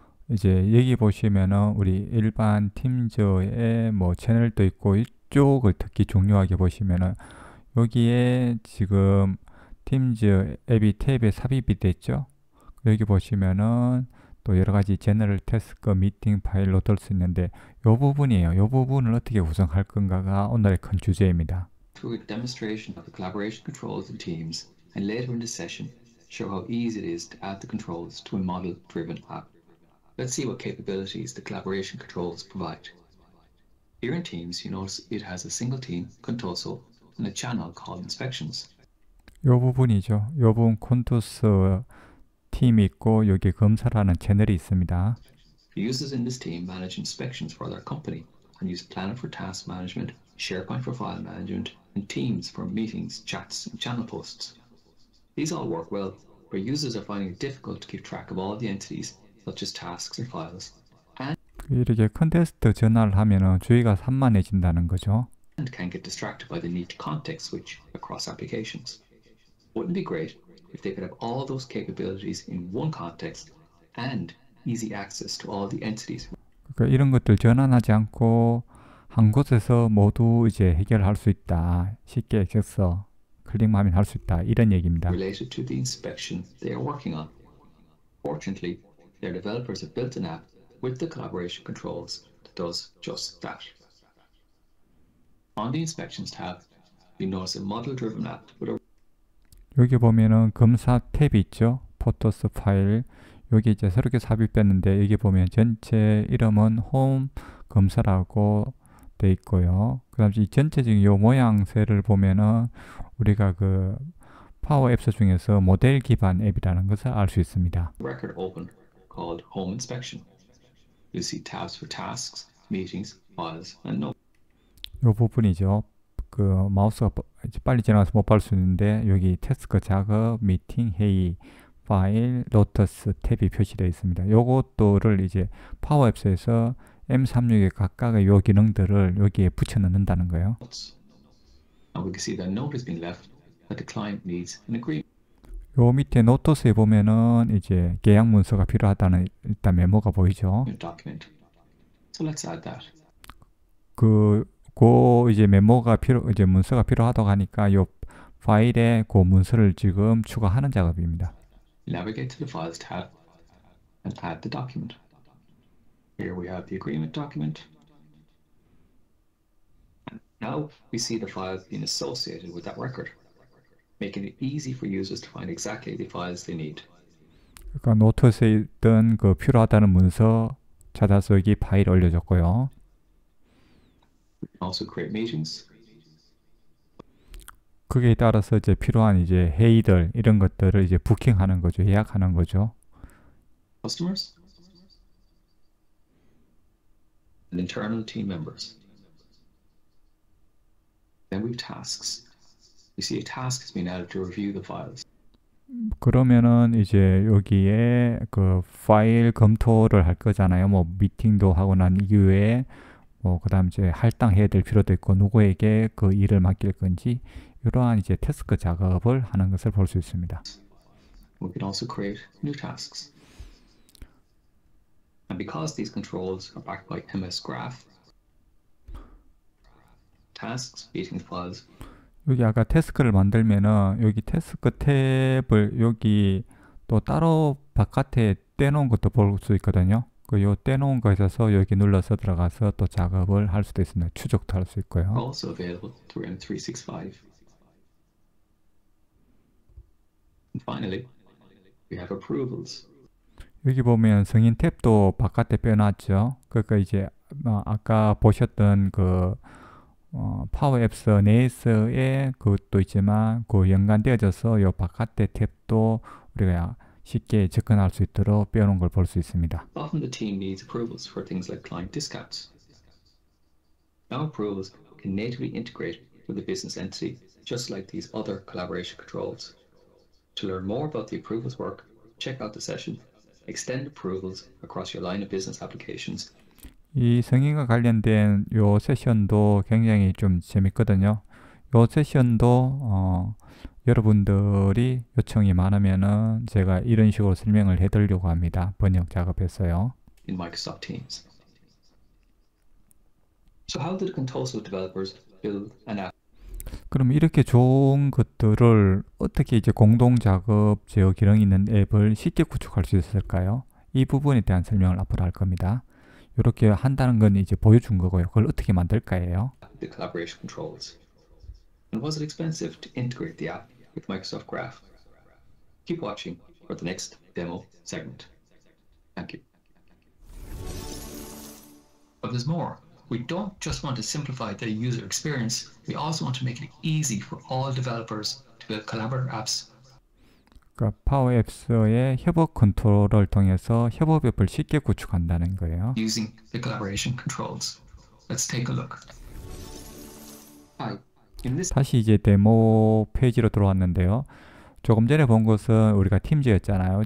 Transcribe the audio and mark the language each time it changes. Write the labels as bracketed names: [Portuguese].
[Korean] 이제 여기 보시면은 우리 일반 Teams의 뭐 채널도 있고 이쪽을 특히 중요하게 보시면은 여기에 지금 Teams 앱이 탭에 삽입이 됐죠. 여기 보시면은 또 여러 가지 제너럴 태스크 미팅 파일 로드할 수 있는데 요 부분이에요. 요 부분을 어떻게 구성할 건가가 오늘의 큰 주제입니다. [English] Through a demonstration of the collaboration controls in Teams and later in the session show how easy it is to add the controls to a model driven app. Let's see what capabilities the collaboration controls provide. Here in Teams you notice it has a single team console and a channel called inspections. [Korean] 요 부분이죠. 요 부분 컨트롤 팀 있고 여기 검사라는 채널이 있습니다. [English] Users in this team manage inspections for their company and use Planner for task management, SharePoint for file management, and Teams for meetings, chats, and channel posts. These all work well, but users are finding it difficult to keep track of all the entities, such as tasks or files. And [Korean] 이렇게 컨테스트 전화를 하면은 주의가 산만해진다는 거죠. [English] And can get distracted by the need to context switch across applications. Wouldn't it be great if they could have all those capabilities in one context and easy access to all the entities? [Korean] 그러니까 이런 것들 전환하지 않고 한 곳에서 모두 이제 해결할 수 있다. 쉽게 액세스 클릭만 하면 할 수 있다. 이런 얘기입니다. [English] Related to the inspection they are working on. Fortunately, their developers have built an app with the collaboration controls that does just that. On the inspections tab, you notice a model-driven app with a [Korean] 여기 보면은 검사 탭 있죠? 포토스 파일 여기 이제 새롭게 삽입됐는데 여기 보면 전체 이름은 홈 검사라고 돼 있고요. 그 다음에 전체적인 요 모양새를 보면은 우리가 그 파워 앱스 중에서 모델 기반 앱이라는 것을 알 수 있습니다. [English] Record open called home inspection. You see tabs for tasks, meetings, files, and notes. [Korean] 요 부분이죠. 그 마우스가 빨리 지나가서 못 볼 수 있는데 여기 태스크 작업, 미팅, 회의, 파일, 로터스 탭이 표시되어 있습니다. 요것들을 이제 파워앱스에서 M36의 각각의 요 기능들을 여기에 붙여 넣는다는 거예요. [English] And we can see that note has been left that the client needs an agreement. [Korean] 요 밑에 노터스에 보면은 이제 계약 문서가 필요하다는 일단 메모가 보이죠. [English] Document. So let's add that. [Korean] 그 이제 메모가 필요 이제 문서가 필요하다고 하니까 요 파일에 그 문서를 지금 추가하는 작업입니다. [English] Navigate to the files tab and add the document. Here we have the agreement document. Now we see the file being associated with that record, making it easy for users to find exactly the files they need. [Korean] 그러니까 노트에 있던 그 필요하다는 문서 찾아서 여기 파일 올려줬고요. [English] Also create meetings. [Korean] 그에 따라서 이제 필요한 이제 회의들 이런 것들을 이제 부킹하는 거죠. 예약하는 거죠. [English] Customers. And internal team members. Then we have tasks. You see a task has been added to review the files. [Korean] 그러면은 이제 여기에 그 파일 검토를 할 거잖아요. 뭐 미팅도 하고 난 이후에 뭐 그다음 이제 할당해야 될 필요도 있고 누구에게 그 일을 맡길 건지 이러한 이제 태스크 작업을 하는 것을 볼 수 있습니다. [English] We can also create new tasks. And because these controls are backed by MS Graph, tasks, meeting files. [Korean] 여기 아까 태스크를 만들면은 여기 태스크 탭을 여기 또 따로 바깥에 떼놓은 것도 볼 수 있거든요. 그요 떼놓은 거 있어서 여기 눌러서 들어가서 또 작업을 할 수도 있습니다. 추적도 할 수 있고요. [English] Also available through M365. And finally, we have approvals. [Korean] 여기 보면 승인 탭도 바깥에 빼놨죠. 그러니까 이제 아까 보셨던 그 파워 앱스 내에서의 그것도 있지만 그 연관되어져서 요 바깥에 탭도 우리가 쉽게 접근할 수 있도록 빼놓은 걸 볼 수 있습니다. [English] Often the team needs approvals for things like client discounts. Now approvals can natively integrate with the business entity, just like these other collaboration controls. To learn more about the approvals work, check out the session Extend approvals across your line of business applications. [Korean] 이 승인과 관련된 요 세션도 굉장히 좀 재밌거든요. 요 세션도 여러분들이 요청이 많으면은 제가 이런 식으로 설명을 해드리려고 합니다. 번역 작업했어요. [English] In Microsoft Teams. So how did Contoso developers build an app? [Korean] 그럼 이렇게 좋은 것들을 어떻게 이제 공동 작업 제어 기능 있는 앱을 쉽게 구축할 수 있을까요? 이 부분에 대한 설명을 앞으로 할 겁니다. 이렇게 한다는 건 이제 보여준 거고요. 그걸 어떻게 만들까요? [English] The collaboration controls. And was it expensive to integrate the app with Microsoft Graph? Keep watching for the next demo segment. Thank you. But there's more. We don't just want to simplify the user experience. We also want to make it easy for all developers to build collaborative apps. [Korean] 그러니까 파워 앱스의 협업 컨트롤을 통해서 협업 앱을 쉽게 구축한다는 거예요. [English] Using the collaboration controls. Let's take a look. Hi. In this [Korean] 다시 이제 데모 페이지로 들어왔는데요. 조금 전에 본 것은 우리가 팀즈였잖아요.